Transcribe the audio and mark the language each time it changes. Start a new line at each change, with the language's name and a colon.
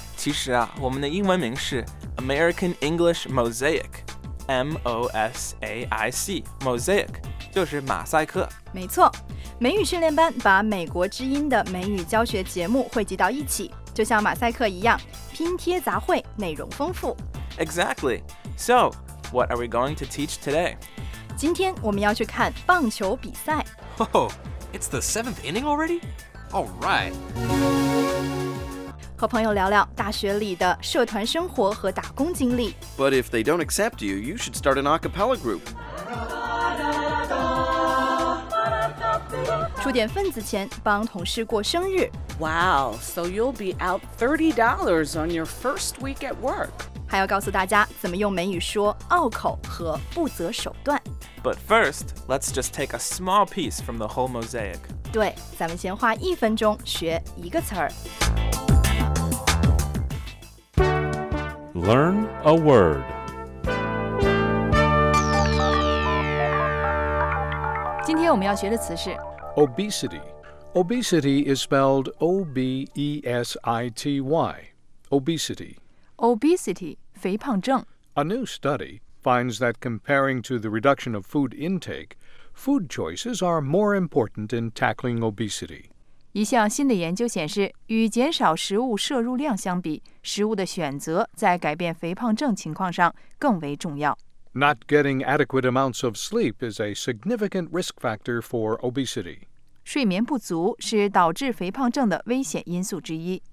Chinese: 其实啊我们的英文名是 American English Mosaic M-O-S-A-I-C Mosaic 就是马赛克没错美语训练班把美国之音的美语教学节目汇集到一起就像马赛克一样拼贴杂烩内容丰富
English: Exactly So, what are we going to teach today?
Chinese: 今天我们要去看棒球比赛
English: Oh, it's the seventh inning already? Alright
Chinese: 和朋友聊聊大学里的社团生活和打工经历
English: But if they don't accept you, you should start an a cappella group
Chinese: 出点份子钱帮同事过生日
English: Wow, so you'll be out $30 on your first week at work
Chinese: 还要告诉大家怎么用美语说拗口和不择手段
English: But first, let's just take a small piece from the whole mosaic
Chinese: 对咱们先花一分钟学一个词儿
English: Learn a word
Chinese: 今天我们要学的词是
English: Obesity. Obesity is spelled O-B-E-S-I-T-Y. Obesity. Obesity, 肥胖症 A new study finds that comparing to the reduction of food intake, food choices are more important in tackling obesity.
Chinese: 一项新的研究显示，与减少食物摄入量相比，食物的选择在改变肥胖症情况上更为重要。
English: Not getting adequate amounts of sleep is a significant risk factor for obesity.
Chinese: 睡眠不足是导致肥胖症的危险因素之一。